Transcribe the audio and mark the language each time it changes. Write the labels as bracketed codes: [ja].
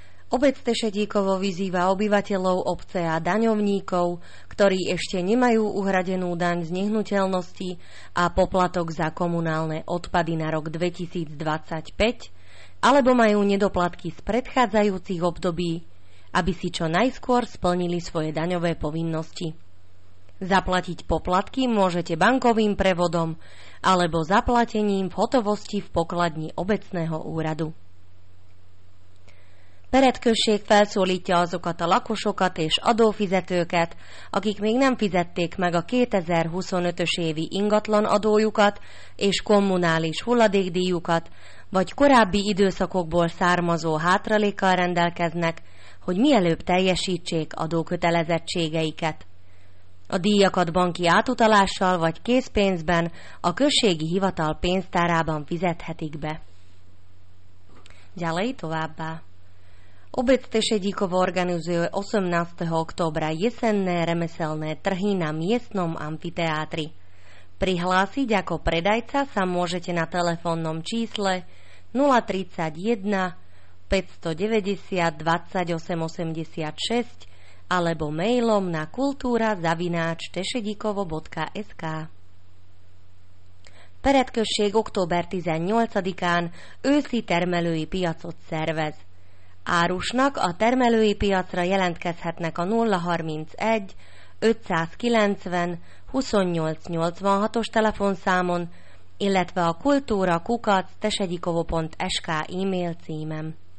[sk] Obec Tešetíkovo vyzýva obyvateľov obce a daňovníkov, ktorí ešte nemajú uhradenú daň z nehnuteľnosti a poplatok za komunálne odpady na rok 2025, alebo majú nedoplatky z predchádzajúcich období, aby si čo najskôr splnili svoje daňové povinnosti. Zaplatiť poplatky môžete bankovým prevodom alebo zaplatením v hotovosti v pokladni obecného úradu. [hu] Peretkösség felszólítja azokat a lakosokat és adófizetőket, akik még nem fizették meg a 2025-ös évi ingatlan adójukat és kommunális hulladékdíjukat, vagy korábbi időszakokból származó hátralékkal rendelkeznek, hogy mielőbb teljesítsék adókötelezettségeiket. A díjakat banki átutalással vagy készpénzben a községi hivatal pénztárában fizethetik be. [sk] Ďalej [hu] továbbá. [sk] Obec Tešedíkovo organizuje 18. októbra jesenné remeselné trhy na miestnom amfiteátri. Prihlásiť ako predajca sa môžete na telefónnom čísle 031 590 28 86 alebo mailom na kultura@tešedikovo.sk. [hu] Peretkösség október 18-án őszi termelői piacot szervez. Árusnak a termelői piacra jelentkezhetnek a 031 590 28 86-os telefonszámon, illetve a kultura@tesedikovo.sk e-mail címen.